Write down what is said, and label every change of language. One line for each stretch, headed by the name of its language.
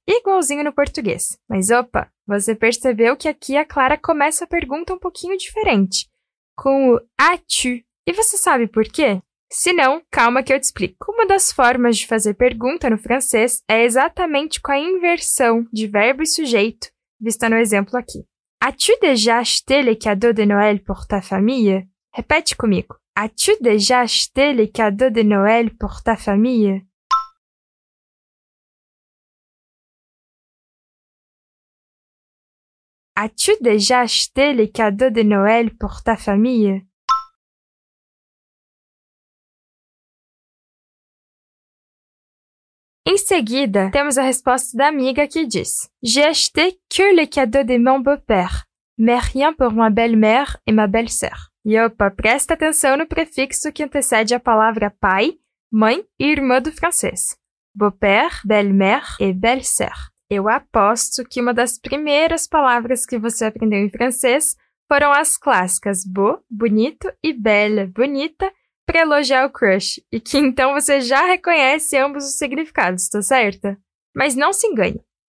Portuguese: Igualzinho no português. Mas opa, você percebeu que aqui a Clara começa a pergunta um pouquinho diferente. Com o as-tu. E você sabe por quê? Se não, calma que eu te explico. Uma das formas de fazer pergunta no francês é exatamente com a inversão de verbo e sujeito, vista no exemplo aqui.
French: As-tu déjà acheté les cadeaux de Noël pour ta famille?
Portuguese: Repete comigo.
French: As-tu déjà acheté les cadeaux de Noël pour ta famille? As-tu déjà acheté les cadeaux de Noël pour ta famille?
Portuguese: Em seguida, temos a resposta da amiga que diz:
French: J'ai acheté que les cadeaux de mon beau-père, mais rien pour ma belle-mère et ma belle-sœur.
Portuguese: E opa, presta atenção no prefixo que antecede a palavra pai, mãe e irmã do francês.
French: Beau-père, belle-mère et belle-sœur.
Portuguese: Eu aposto que uma das primeiras palavras que você aprendeu em francês foram as clássicas beau, bonito e belle, bonita, para elogiar o crush, e que então você já reconhece ambos os significados, tá certa? Mas não se engane.